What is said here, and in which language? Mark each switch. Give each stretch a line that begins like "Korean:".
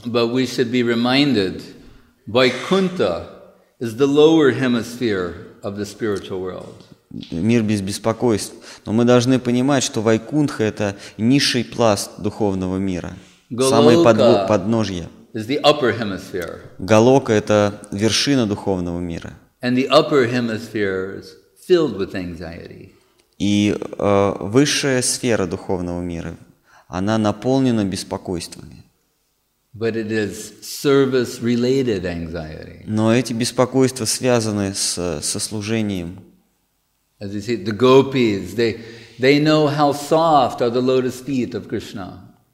English: But we should be reminded, Vaikuntha is the lower hemisphere of the spiritual world.
Russian: Мир без беспокойств. Но мы должны понимать, что Вайкунтха – это низший пласт духовного мира. Самое подножье.
English: Is the upper hemisphere.
Russian: Галока – это вершина духовного мира.
English: And the upper hemisphere is filled with anxiety.
Russian: И высшая сфера духовного мира, она наполнена беспокойствами.
English: But it is service-related anxiety.
Russian: Но эти беспокойства связаны с служением.
English: As you see, the gopis, they know how soft are the lotus feet of Krishna.